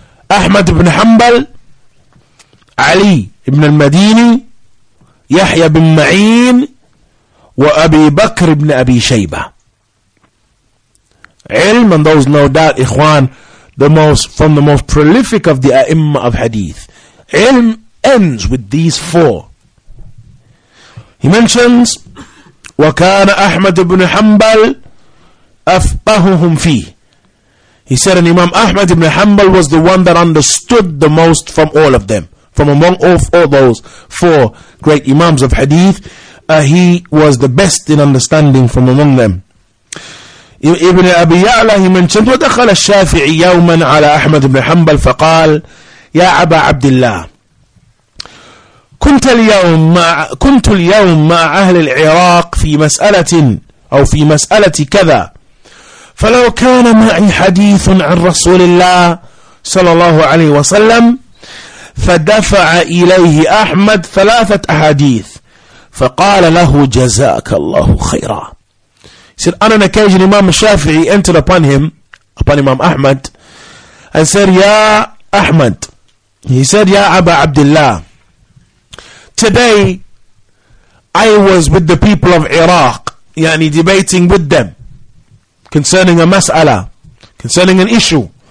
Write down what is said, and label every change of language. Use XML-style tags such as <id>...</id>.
<en>Ahmad ibn Hanbal, Ali ibn al-Madini, Yahya bin Ma'in, wa Abi Bakr ibn Abi Shayba. Ilm, and those no doubt, Ikhwan, from the most prolific of the A'imma of Hadith. Ilm ends with these four. He mentions,</en> <ar>وَكَانَ أَحْمَدُ بْنُ حَنْبَلْ أَفْقَهُهُمْ فِيهِ.</ar> <en>He said, and Imam Ahmad ibn Hanbal was the one that understood the most from all of them, from among all those four great Imams of Hadith. he was the best in understanding from among them. Ibn Abi Ya'la, he mentioned,</en> <ar>وَدَخَلَ الشَّافِعِ يَوْمًا عَلَىٰ أَحْمَدُ بْنِ حَنْبَلْ فَقَالَ يَا أَبَا عَبْدِ اللَّهِ كُنْتُ الْيَوْمَ مَعَ أَهْلِ الْعِرَاقِ فِي مَسْأَلَةٍ أَوْ فِي مَسْأَلَةِ كَذَا فَلَوْ كَانَ مَعِي حَدِيثٌ عَنْ رَسُولِ اللَّهِ صلى الله عليه وسلم فَدَفَعَ إِلَيْهِ أَحْمَدُ ثَلَاثَةَ أَحَادِيثٍ فَقَالَ لَهُ جَزَاكَ اللَّهُ خَيْرًا.</ar> <en>He said, on an occasion, Imam Shafi'i entered upon him, upon Imam Ahmad, and said, Ya Ahmad, he said, Ya Aba Abdullah, today I was with the people of Iraq, yani debating with them concerning a mas'ala, concerning an issue.</en>